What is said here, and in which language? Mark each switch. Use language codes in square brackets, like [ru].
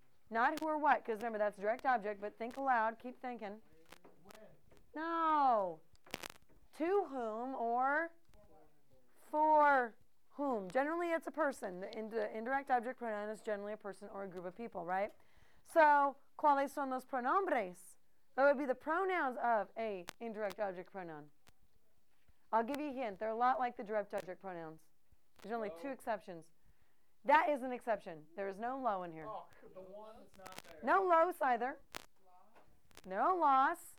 [en] Not who or what, because remember that's direct object, but think aloud, keep thinking. When? No. To whom or for whom? Generally, it's a person. The indirect object pronoun is generally a person or a group of people, right? [es] So, ¿cuáles son los pronombres? [en] That would be the pronouns of a indirect object pronoun. I'll give you a hint. They're a lot like the direct object pronouns. There's only 2 exceptions. That is an exception. There is no lo in here. Oh, the one that's not there. No los either. Loss. No los.